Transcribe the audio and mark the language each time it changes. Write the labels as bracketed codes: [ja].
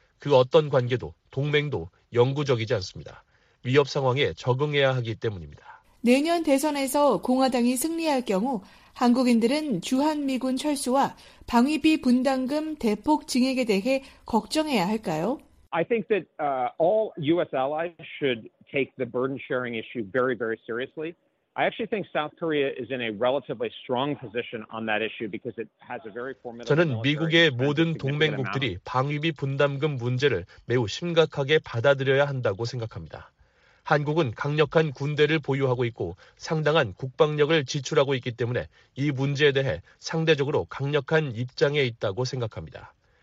[ko] 그 어떤 관계도 동맹도 영구적이지 않습니다. 위협 상황에 적응해야 하기 때문입니다. 내년 대선에서 공화당이 승리할 경우 한국인들은 주한미군 철수와 방위비 분담금 대폭 증액에 대해 걱정해야 할까요? [en] I think that all US allies should take the burden sharing issue very very seriously. I actually think South Korea is in a relatively strong position on that issue because it has a very formidable [ko] 저는 미국의 모든 동맹국들이 방위비 분담금 문제를 매우 심각하게 받아들여야 한다고 생각합니다. 한국은 강력한 군대를 보유하고 있고 상당한 국방력을 지출하고 있기 때문에 이 문제에 대해 상대적으로 강력한 입장에 있다고 생각합니다.